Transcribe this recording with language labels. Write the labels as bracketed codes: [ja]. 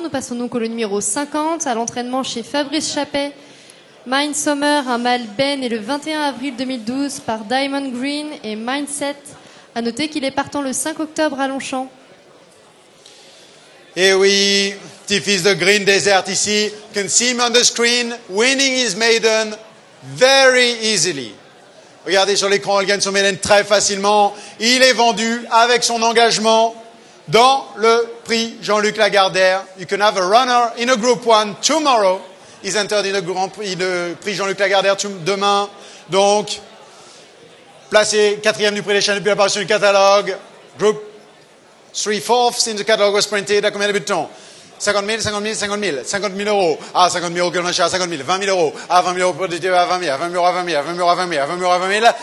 [fr] Nous passons donc au lot numéro 50, à l'entraînement chez Fabrice Chappet. Mind Summer, un mâle Ben, est le 21 avril 2012 par Diamond Green et Mindset. A noter qu'il est partant le 5 octobre à Longchamp. Et oui, petit fils de Green Desert ici. [en] Can see him on the screen, winning his maiden. Very easily. [fr] Regardez sur l'écran, elle gagne son maiden très facilement. Il est vendu avec son engagement dans le prix Jean-Luc Lagardère. [en] You can have a runner in a group one tomorrow. He's entered in a grand prix, [fr] le prix Jean-Luc Lagardère demain. Donc, placé quatrième du prix des chaînes depuis l'apparition du catalogue. [en] Group 3/4 since the catalogue was printed. [fr] À combien de temps? 50 000, 50 000, 50 000, 50 000 euros. À 50 000 euros que l'on achète à 50 000. 20 000 euros. À 20 000 euros pour l'été à 20 000. À 20 000 euros à 20 000. À 20 000 euros à 20 000. À 20 000 euros à 20 000.